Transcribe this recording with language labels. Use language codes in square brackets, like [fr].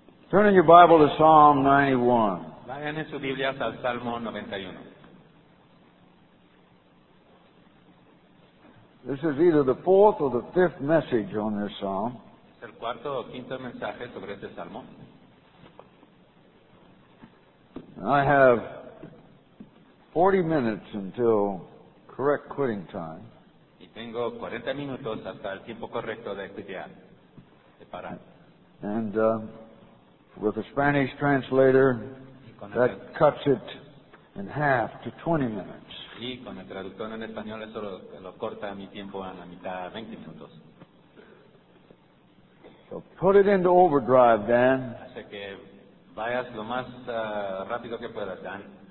[en] Turn in your Bible to Psalm 91. [es] Vayan en su Biblia al Salmo 91. [en] This is either the fourth or the fifth message on this psalm. [es] Es el cuarto o quinto mensaje sobre este salmo. [en] I have 40 minutes until correct quitting time. [es] Y tengo 40 minutos hasta el tiempo correcto de quitar, de parar. [en] And with a Spanish translator, that cuts it in half to 20 minutes. [es] Y con el traductor en español eso lo corta mi tiempo a la mitad, 20 minutos. [en] So put it into overdrive, Dan. [es] Así que vayas lo más rápido que puedas, Dan.